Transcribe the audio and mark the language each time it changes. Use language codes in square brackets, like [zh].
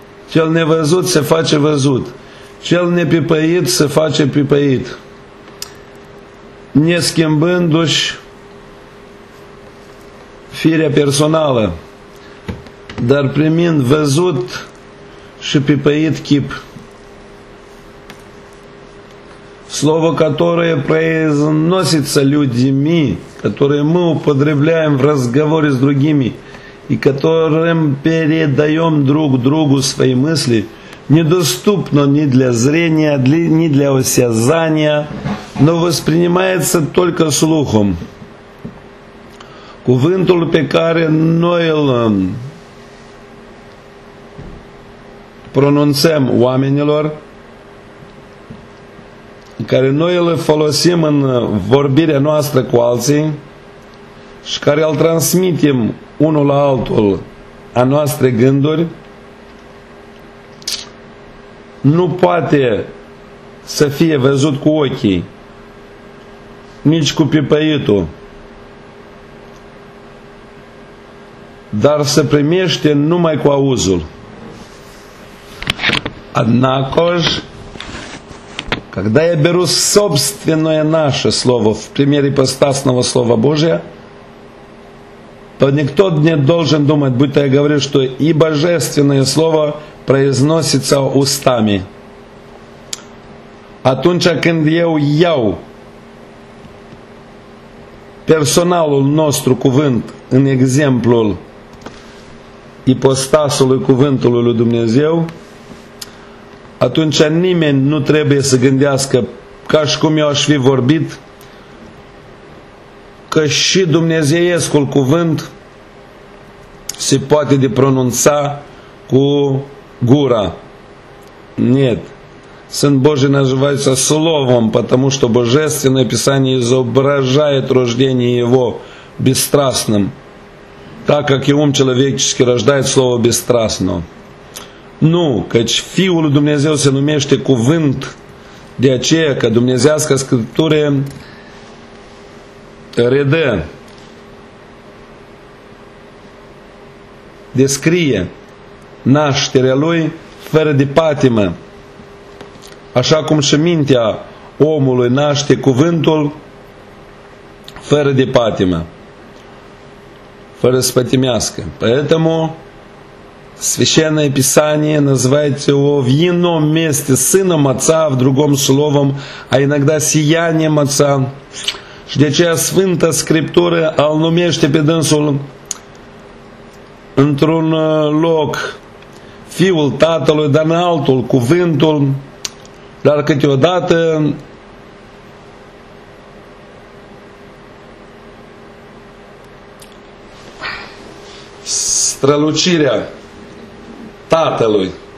[ro] Cel nevăzut se face văzut. Cel nepipăit se face pipăit. Neschimbându-și firea personală, dar primind văzut și pipăit chip. [ru] Слово, которое произносится людьми, которое мы употребляем в разговоре с другими и которым передаем друг другу свои мысли, недоступно ни для зрения, ни для осязания, но воспринимается только слухом. [ro] Cuvântul pe care noi îl pronunțăm oamenilor, care noi îl folosim în vorbirea noastră cu alții și care îl transmitem unul la altul a noastre gânduri, nu poate să fie văzut cu ochii, nici cu pipăitul, dar se primește numai cu auzul. [ru] Однако же, когда я беру собственное наше слово в примере ипостасного слова Божия, то никто не должен думать, будто я говорю, что и божественное слово произносится устами. [ro] Atunci când eu iau personalul nostru cuvânt în exemplul ipostasului cuvântului lui Dumnezeu, atunci nimeni nu trebuie să gândească ca și cum eu aș fi vorbit, că și dumnezeiescul cuvânt se poate de pronunța cu gura. [ru] Нет. Sunt Божий называется словом, потому что Божественное Писание изображает рождение его бесстрастным, так как и ум человеческий рождает слово бесстрастно. [ro] Nu, căci Fiul lui Dumnezeu se numește cuvânt, de aceea că Dumnezească Scriptură redă, descrie nașterea Lui fără de patimă. Așa cum și mintea omului naște cuvântul fără de patimă, fără spătimească. [ru] Поэтому Священное Писание называет его в ином месте сыном Отца, в другом словом, а иногда сиянием Отца. [ro] Și de aceea Sfânta Scriptură îl numește pe dânsul într-un loc Fiul Tatălui, dar în altul cuvântul, dar câteodată strălucirea Tatălui.